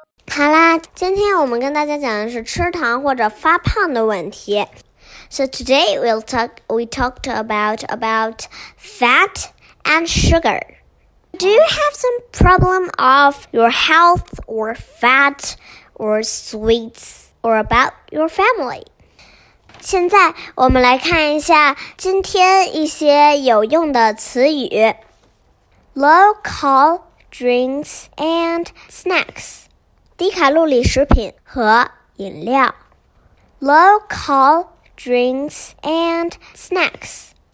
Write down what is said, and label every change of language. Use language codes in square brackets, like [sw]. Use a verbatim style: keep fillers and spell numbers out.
[zh] 好啦，今天我们跟大家讲的是吃糖或者发胖的问题。 [en] So today we'll talk, we talked about, about fat and sugar. Do you have some problem of your health or fat or sweets or about your family? [zh] 现在我们来看一下今天一些有用的词语。 [en] Low-carb drinks and snacks. [zh] 低卡路里食品和饮料。 [en] Low-carb drinks and snacks.